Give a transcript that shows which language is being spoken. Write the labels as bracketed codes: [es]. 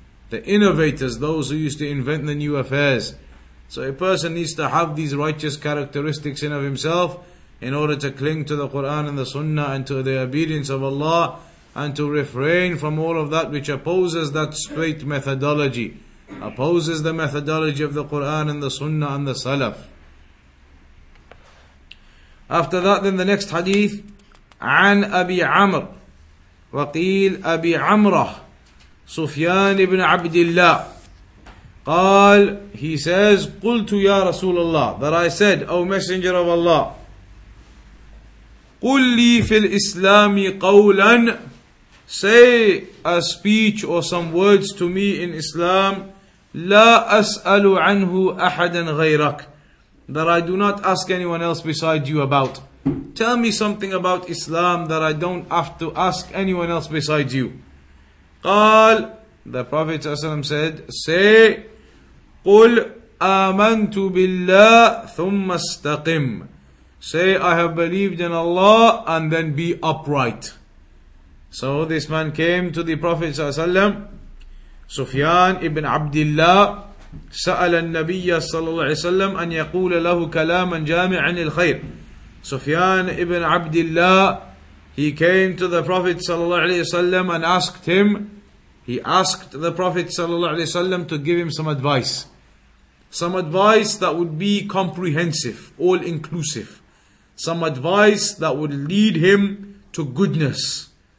[en] The innovators, those who used to invent the new affairs. So a person needs to have these righteous characteristics in of himself in order to cling to the Quran and the Sunnah and to the obedience of Allah and to refrain from all of that which opposes that straight methodology, opposes the methodology of the Quran and the Sunnah and the Salaf. After that, then the next hadith, [ar] عن أبي عمر وقيل أبي عمرة سفيان بن عبد الله قال. [en] He says, [ar] قلت يا رسول الله, [en] that I said, O Messenger of Allah, [ar] قل لي في الإسلام قولا, [en] say a speech or some words to me in Islam, [ar] لا أسأل عنه أحدا غيرك, [en] that I do not ask anyone else beside you about. Tell me something about Islam that I don't have to ask anyone else besides you. [ar] قال, [en] the Prophet ﷺ said, say, [ar] قُلْ آمَنْتُ بِاللَّهِ ثُمَّ اسْتَقِمْ. [en] Say, I have believed in Allah, and then be upright. So this man came to the Prophet ﷺ, Sufyan ibn Abdullah, [ar] سأل النبي صلى الله عليه وسلم أن يقول له كلاما جامعا للخير. [en] Sufyan ibn Abdullah, he came to the Prophet صلى الله عليه وسلم and asked him, he asked the Prophet صلى الله عليه وسلم to give him some advice. Some advice that would be comprehensive, all-inclusive. Some advice that would lead him to goodness.